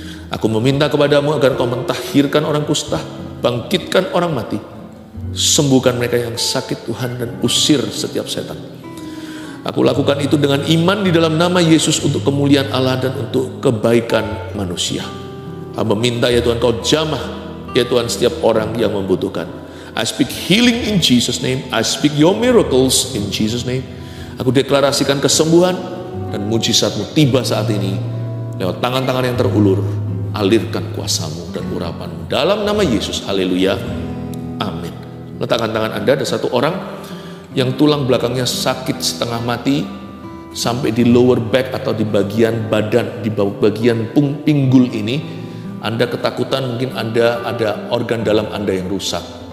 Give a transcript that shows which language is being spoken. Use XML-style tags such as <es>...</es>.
<id>Aku meminta kepada-Mu agar Kau mentahirkan orang kusta, bangkitkan orang mati, sembuhkan mereka yang sakit Tuhan, dan usir setiap setan. Aku lakukan itu dengan iman di dalam nama Yesus untuk kemuliaan Allah dan untuk kebaikan manusia. Hamba minta ya Tuhan Kau jamah ya Tuhan setiap orang yang membutuhkan.</id> <en>I speak healing in Jesus' name. I speak your miracles in Jesus' name.</en> <id>Aku deklarasikan kesembuhan dan mujizat-Mu tiba saat ini. Lewat tangan-tangan yang terulur, alirkan kuasa-Mu dan urapan-Mu. Dalam nama Yesus, haleluya. Amin. Letakkan tangan Anda, ada satu orang yang tulang belakangnya sakit setengah mati, sampai di</id> <en>lower back</en> <id>atau di bagian badan, di bagian pinggul ini, Anda ketakutan, mungkin Anda ada organ dalam Anda yang rusak.</id>